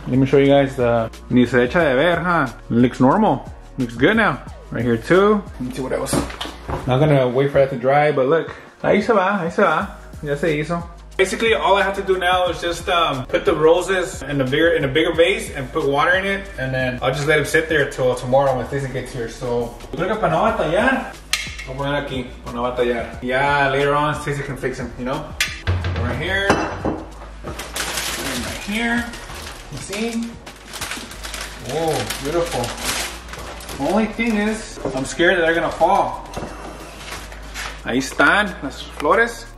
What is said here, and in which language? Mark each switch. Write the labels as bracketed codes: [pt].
[en] Let me show you guys the [es] ni se echa de ver, [en] huh? Looks normal. Looks good now. Right here too. Let me see what else. Not gonna wait for that to dry, but look. [es] Ahí se va, ahí se va. Ya se hizo. [en] Basically, all I have to do now is just put the roses in a bigger vase and put water in it. And then I'll just let them sit there till tomorrow when Stacey gets here. So, [es] creo que para no batallar, voy a poner aquí para no batallar. [en] Yeah, later on, Stacey can fix them, you know? Right here. Here, you see? Oh, beautiful. Only thing is, I'm scared that they're gonna fall. [es] Ahí están las flores.